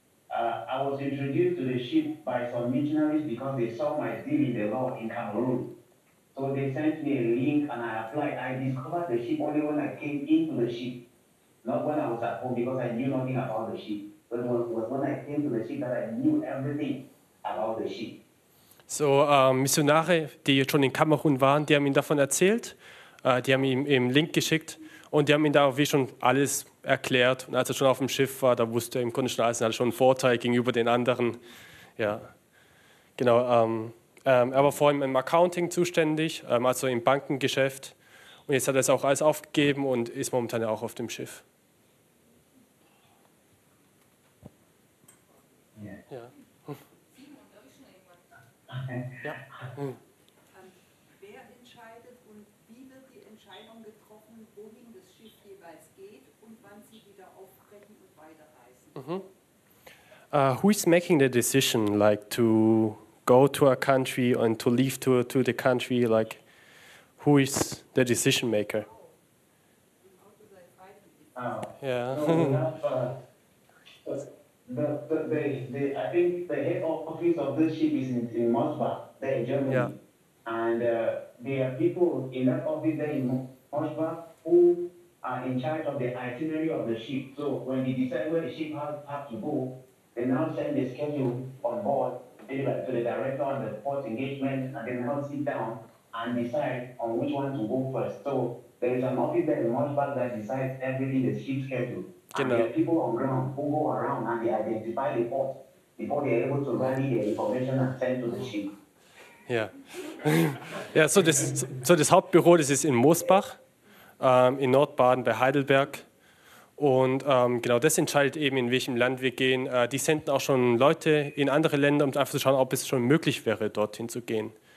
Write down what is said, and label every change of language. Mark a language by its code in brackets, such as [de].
[en] I was introduced to the ship by some missionaries because they saw my zeal in the Lord in Cameroon. So they sent me a link and I applied. I discovered the ship only when I came into the ship, not when I was at home, because I knew nothing about the ship. But it was when I came to the ship that I knew everything about the ship. [de] So Missionare, die schon in Kamerun waren, die haben ihn davon erzählt, die haben ihm einen Link geschickt und die haben ihm da auch wie schon alles erklärt. Und als er schon auf dem Schiff war, da wusste er im Grunde schon alles und hatte schon einen Vorteil gegenüber den anderen. Ja, genau. Er war vorhin im Accounting zuständig, also im Bankengeschäft. Und jetzt hat er es auch alles aufgegeben und ist momentan ja auch auf dem Schiff. [en] Yeah. [de] Ja. Ja. Wer entscheidet und wie wird die Entscheidung getroffen, wohin das Schiff jeweils geht und wann sie wieder aufbrechen und weiterreisen? Mhm. [en] Who is making the decision, like to go to a country and to leave to the country? Like, who is the decision maker? I think the head office of this ship is in Mosbach, there in Germany. Yeah. And there are people in that office there in Mosbach who are in charge of the itinerary of the ship. So when they decide where the ship has to go, they now send the schedule on board, maybe like to the director on the port engagement, and then they'll sit down and decide on which one to go first. So there is an office there in Mosbach that decides everything, the ship schedule. [de] Genau. [en] And there are people on ground who go around and they identify the port before they are able to rally the information and send to the ship. Yeah. [de] Yeah, so das Hauptbüro, das ist in Mosbach, in Nordbaden bei Heidelberg. Und genau das entscheidet eben, in welchem Land wir gehen. Die senden auch schon Leute in andere Länder, um einfach zu schauen, ob es schon möglich wäre, dorthin zu gehen.